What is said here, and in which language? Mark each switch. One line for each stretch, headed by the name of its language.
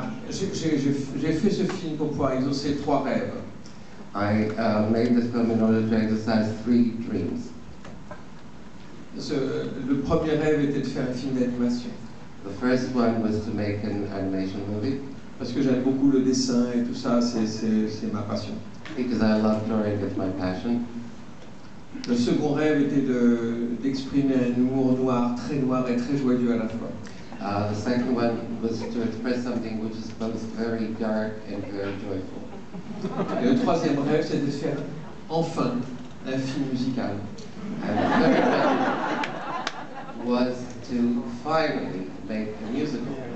French: J'ai fait ce film pour pouvoir exaucer trois rêves.
English: I made this film in order to exercise three dreams.
French: Le premier rêve était de faire un film d'animation.
English: The first one was to make an animation movie.
French: Parce que j'aime beaucoup le dessin et tout ça, c'est ma passion.
English: Because I love drawing, it's my passion.
French: Le second rêve était d'exprimer un humour noir et très joyeux à la fois.
English: The second one was to express something which is both very dark and very joyful.
French: Et le troisième rêve, c'est de faire enfin un film musical.
English: And the third one was to finally make a musical.